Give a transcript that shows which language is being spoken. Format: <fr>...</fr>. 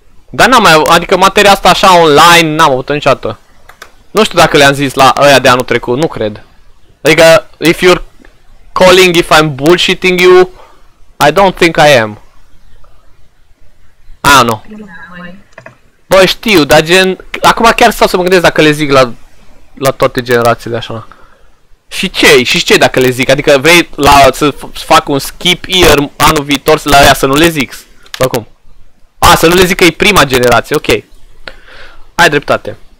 <ro>Dar n-am mai, adică materia asta așa online, n-am avut-o niciodată. Nu știu dacă le-am zis la ăia de anul trecut, nu cred.</ro> <en>Adică, if you're calling, if I'm bullshitting you, I don't think I am.</en> <ro>A, nu. Bă, știu, dar gen, acum chiar stau să mă gândesc dacă le zic la toate generațiile așa. Și ce? Și ce dacă le zic? Adică vrei la să fac un skip year anul viitor la aia să nu le zic? Sau cum? A, să nu le zic că e prima generație, ok. Ai dreptate.</ro>